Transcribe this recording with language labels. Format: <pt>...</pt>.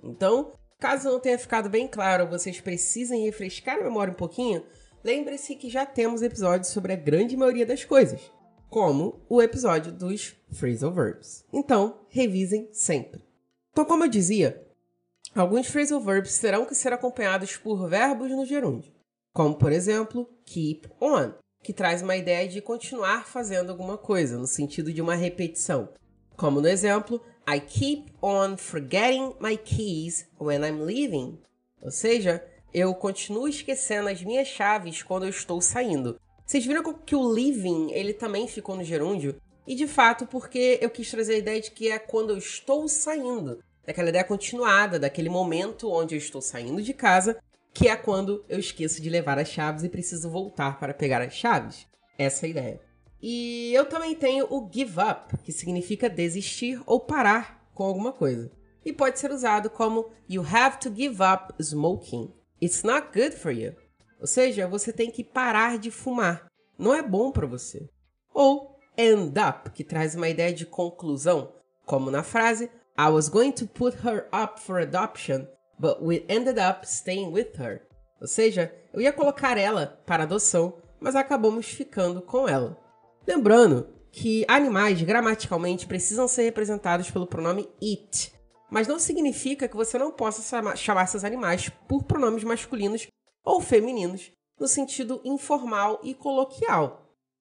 <pt>Então, caso não tenha ficado bem claro, vocês precisem refrescar a memória um pouquinho, lembre-se que já temos episódios sobre a grande maioria das coisas, como o episódio dos phrasal verbs. Então, revisem sempre. Então, como eu dizia, alguns phrasal verbs terão que ser acompanhados por verbos no gerúndio, como, por exemplo, keep on, que traz uma ideia de continuar fazendo alguma coisa, no sentido de uma repetição. Como no exemplo,</pt> <en>I keep on forgetting my keys when I'm leaving.</en> <pt>Ou seja, eu continuo esquecendo as minhas chaves quando eu estou saindo. Vocês viram que o leaving, ele também ficou no gerúndio? E de fato, porque eu quis trazer a ideia de que é quando eu estou saindo. Daquela ideia continuada, daquele momento onde eu estou saindo de casa, que é quando eu esqueço de levar as chaves e preciso voltar para pegar as chaves. Essa é a ideia. E eu também tenho o give up, que significa desistir ou parar com alguma coisa. E pode ser usado como</pt> <en>you have to give up smoking. It's not good for you.</en> <pt>Ou seja, você tem que parar de fumar. Não é bom para você. Ou end up, que traz uma ideia de conclusão. Como na frase,</pt> <en>I was going to put her up for adoption, but we ended up staying with her.</en> <pt>Ou seja, eu ia colocar ela para adoção, mas acabamos ficando com ela. Lembrando que animais, gramaticalmente, precisam ser representados pelo pronome it. Mas não significa que você não possa chamar seus animais por pronomes masculinos ou femininos, no sentido informal e coloquial.</pt>